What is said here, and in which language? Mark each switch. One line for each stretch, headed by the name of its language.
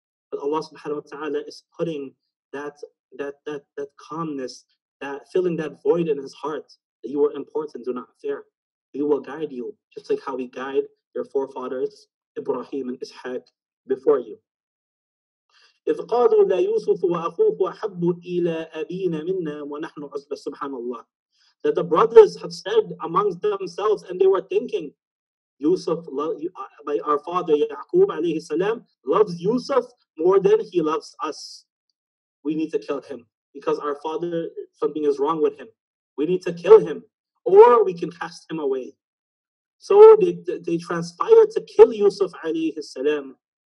English: But Allah subhanahu wa ta'ala is putting that calmness, that filling that void in his heart, that you are important, do not fear. He will guide you, just like how we guide your forefathers, Ibrahim and Ishaq, before you.
Arabic: إذ قالوا لا يوسف وأخوه أحب إلى أبينا منا ونحن عزبة سبحان الله.
English: That the brothers had said amongst themselves, and they were thinking, Yusuf, by our father Yaqub alayhi salam, loves Yusuf more than he loves us. We need to kill him because our father, something is wrong with him. We need to kill him, or we can cast him away. So they transpired to kill Yusuf alayhi salam.